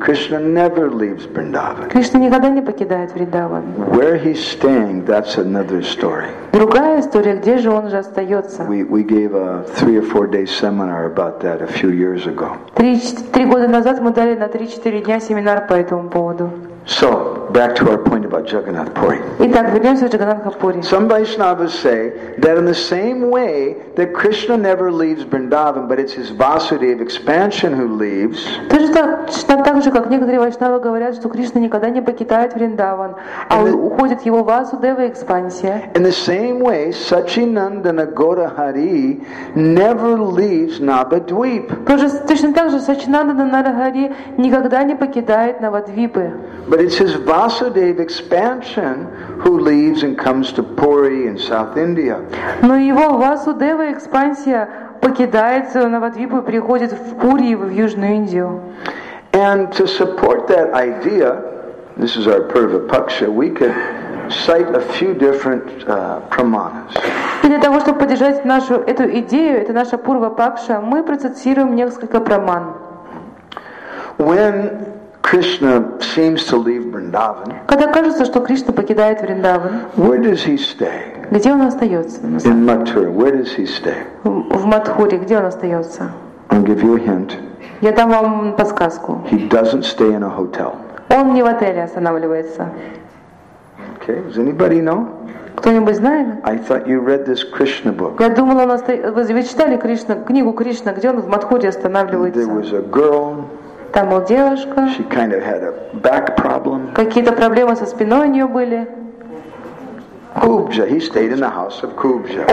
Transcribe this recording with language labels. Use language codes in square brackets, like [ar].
[en] Krishna never leaves Vrindavan. [ru] Кришна никогда не покидает Вриндаван. [en] Where he's staying, that's another story. [ru] Другая история, где же он же остается? [en] We gave a 3 or 4 day seminar about that a few years ago. [ru] Три года назад мы дали на 3-4 дня семинар по этому поводу. [en] So, back to our point about Jagannath Puri. [ru] Итак, вернемся к Джагнатха Пури. [en] Some Vaishnavas say that in the same way that Krishna never leaves Vrindavan, but it's his Vasudev expansion who leaves. [ru] Так же, как некоторые Вайшнавы говорят, что Кришна никогда не покидает Вриндаван, а уходит его Васудева экспансия. [en] In the same way, Сачинандана Гора Хари never leaves Навадвип. [ru] Точно так же Сачинандана Нара Хари никогда не покидает Навадвипы. [en] But it's his Vasudev expansion who leaves and comes to Puri in South India. [ru] Но его Васудева экспансия покидает Навадвипу и приходит в Пури, в Южную Индию. [en] And to support that idea, this is our Purva Paksha, we could cite a few different pramanas. [ru] И для того, чтобы поддержать нашу эту идею, это наша Пурва Пакша, мы процитируем несколько праман. [en] When Krishna seems to leave Vrindavan. [ru] Когда кажется, что Кришна покидает Вриндаван. [en] Where does he stay? [ru] Где он остается? [en] In Mathura. Where does he stay? [ru] В Матхуре. Где он остается? [en] I'll give you a hint. [ru] Я дам вам подсказку. [en] He doesn't stay in a hotel. [ru] Он не в отеле останавливается. [en] Okay. Does anybody know? [ru] Кто-нибудь знает? [en] I thought you read this Krishna book. [ru] Я думала, вы читали Кришна, книгу Кришна, где он в Матхуре останавливается? [en] There was a girl. [ru] Там была девушка. [en] She kind of had a back problem. [ru] Какие-то проблемы со спиной у нее были. [en] Kubja, he stayed in the house of Kubja.